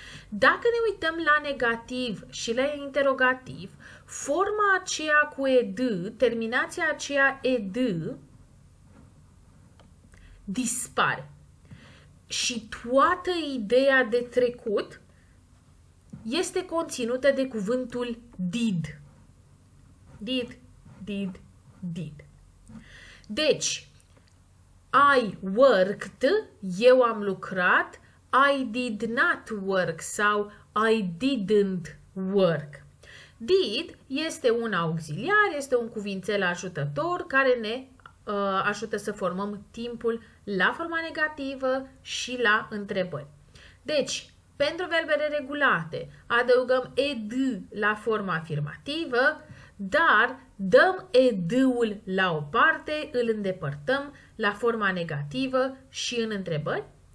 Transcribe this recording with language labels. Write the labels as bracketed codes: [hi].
[ro] Dacă ne uităm la negativ și la interrogativ, forma aceea cu ed, terminația aceea ed, dispare. Și toată ideea de trecut este conținută de cuvântul did. [en] Did, did, did. Deci, I worked, [ro] eu am lucrat, [en] I did not work sau I didn't work. [ro] Did este un auxiliar, este un cuvințel ajutător care ne ajută să formăm timpul la forma negativă și la întrebări. Deci, pentru verbele regulate, adăugăm ed la forma afirmativă, dar dăm ed-ul la o parte, îl îndepărtăm la forma negativă și în întrebări.